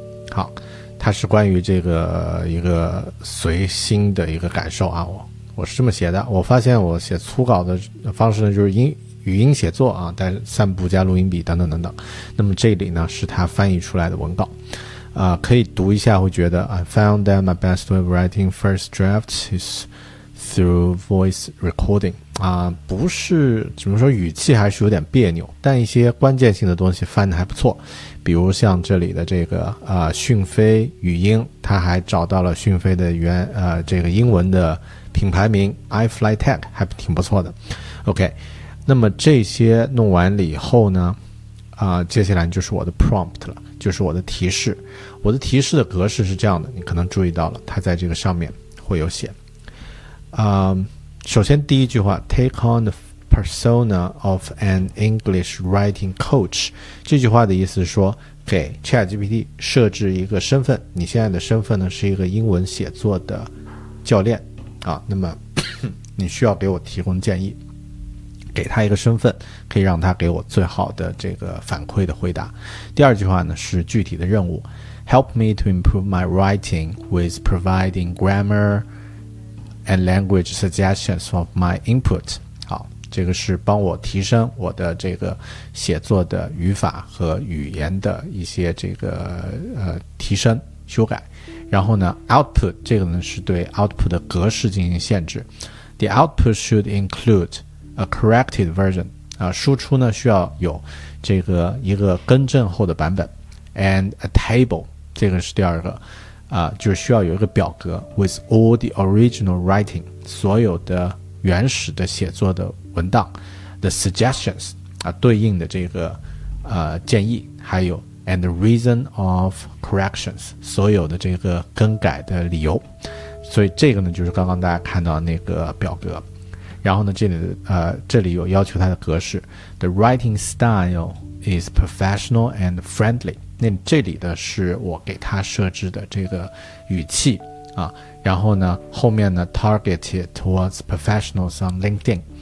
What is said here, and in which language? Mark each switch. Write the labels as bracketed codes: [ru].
[zh] 好，它是关于这个一个随心的一个感受啊，我是这么写的。我发现我写粗稿的方式呢，就是语音写作啊，带散步加录音笔等等等等。那么这里呢是它翻译出来的文稿。 [en] 可以读一下，会觉得 I found that my best way of writing first draft is through voice recording。 [zh] 不是，怎么说，语气还是有点别扭，但一些关键性的东西翻得还不错，比如像这里的这个讯飞语音，他还找到了讯飞的原这个英文的品牌名 iFlyTech， 还挺不错的。 OK， 那么这些弄完了以后呢，接下来就是我的 prompt 了，就是我的提示。我的提示的格式是这样的，你可能注意到了，它在这个上面会有写。 [en] 首先第一句话，take on the persona of an English writing coach。 [zh] 这句话的意思是说，给 ChatGPT 设置一个身份，你现在的身份呢是一个英文写作的教练啊。那么你需要给我提供建议，给他一个身份，可以让他给我最好的这个反馈的回答。 [en] 第二句话呢是具体的任务，help me to improve my writing with providing grammar and language suggestions of my input。 [zh] 好，这个是帮我提升我的这个写作的语法和语言的一些这个提升修改。然后呢 ，output 这个呢是对 output 的格式进行限制 ， the output should include。 A corrected version，输出呢需要有这个一个更正后的版本 ， and a table，这个是第二个，就是需要有一个表格 ， with all the original writing，所有的原始的写作的文档 ， the suggestions，对应的这个建议，还有 and the reason of corrections，所有的这个更改的理由，所以这个呢就是刚刚大家看到那个表格。然后呢，这里有要求它的格式 ， the writing style is professional and friendly。那这里的是我给它设置的这个语气啊。 [en] 然后呢，后面呢，targeted towards professionals on LinkedIn。